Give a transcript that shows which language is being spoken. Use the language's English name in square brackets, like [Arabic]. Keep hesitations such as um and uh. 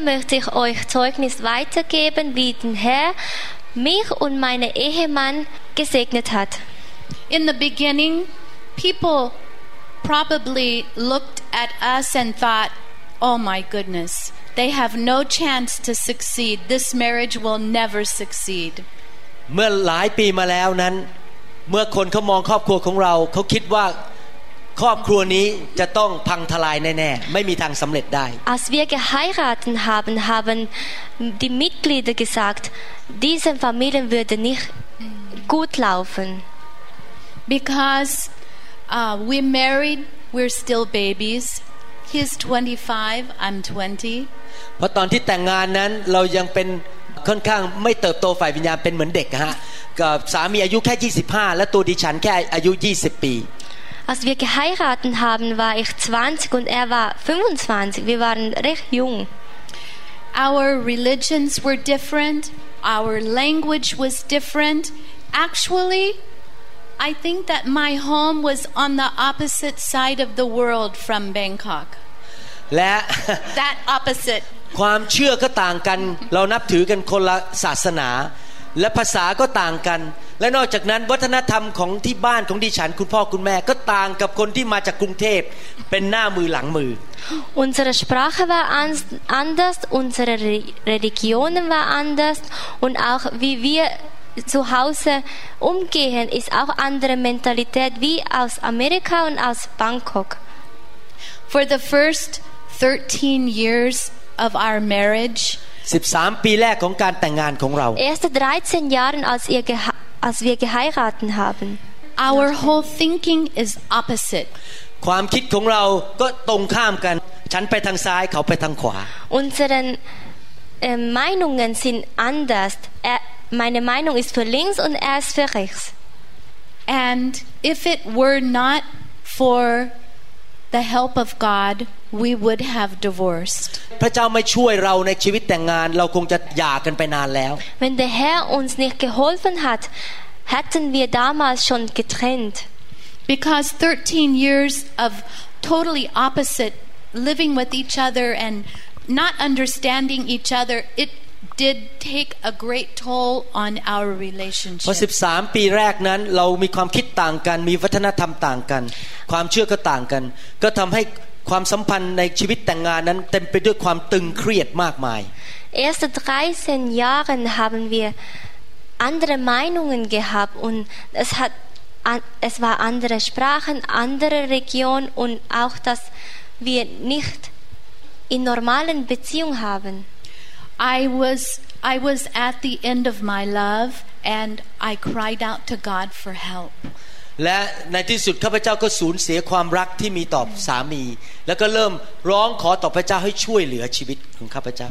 [German] möchte ich euch Zeugnis weitergeben wie der Herr mich und meine Ehemann gesegnet hat [English] in the beginning people probably looked at us and thought oh my goodness they have no chance to succeed this marriage will never succeed [Thai] เมื่อหลายปีมาแล้วนั้น เมื่อคนเขามองครอบครัวของเราเขาคิดว่าครอบครัวนี้จะต้องพังทลายแน่ๆไม่มีทางสำเร็จได้ [German] Als wir geheiratet haben haben die Mitglieder gesagt diese Familien würde nicht gut laufen [English] because uh, we married we're still babies he's 25 I'm 20 [Thai] เพราะตอนที่แต่งงานนั้นเรายังเป็นค่อนข้างไม่เติบโตฝ่ายวิญญาณเป็นเหมือนเด็กฮะกับสามีอายุแค่ 25 และตัวดิฉันแค่อายุ 20 ปี [German] Als wir geheiratet haben, war ich 20 und er war 25. Wir waren recht jung. [English] Our religions were different. Our language was different. Actually, I think that my home was on the opposite side of the world from Bangkok. [Thai] และ [English] That opposite [Thai] ความเชื่อก็ต่างกันเรานับถือกันคนละศาสนา และภาษาก็ต่างกัน และนอกจากนั้นวัฒนธรรมของที่บ้านของดิฉันคุณพ่อคุณแม่ก็ต่างกับคนที่มาจากกรุงเทพเป็นหน้ามือหลังมือ [German] Unsere Sprache war anders unsere Religion war anders und auch wie wir zu Hause umgehen ist auch andere Mentalität wie aus Amerika und aus Bangkok [English] For the first 13 years of our marriage [Thai] 13 ปีแรกของการแต่งงานของเรา [German] Erste 13 Jahren als ihr als wir geheiratet haben [English] Our whole thinking is opposite [Thai] ความคิดของเราก็ตรงข้ามกัน ฉันไปทางซ้ายเขาไปทางขวา [German] Unseren Meinungen sind anders Meine Meinung ist für links und er ist für rechts [English] And if it were not for the help of God, we would have divorced. [Thai] พระเจ้าไม่ช่วยเราในชีวิตแต่งงานเราคงจะหย่ากันไปนานแล้ว [English] When the [German] Herr uns nicht geholfen hat, hätten wir damals schon getrennt. [English] Because 13 years of totally opposite living with each other and not understanding each other, it did take a great toll on our relationship. [Thai] พอ13ปีแรกนั้นเรามีความคิดต่างกันมีวัฒนธรรมต่างกันความเชื่อก็ต่างกันก็ทําให้ความสัมพันธ์ในชีวิตแต่งงานนั้นเต็มไปด้วยความตึงเครียดมากมาย [German] Erst 13 Jahren haben wir andere Meinungen gehabt und es hat es war andere Sprachen, andere Region und auch dass wir nicht in normalen Beziehung haben. [English] I was I was at the end of my love and I cried out to God for help. [Thai] และในที่สุดข้าพเจ้าก็สูญเสียความรักที่มีต่อสามี แล้วก็เริ่มร้องขอต่อพระเจ้าให้ช่วยเหลือชีวิตของข้าพเจ้า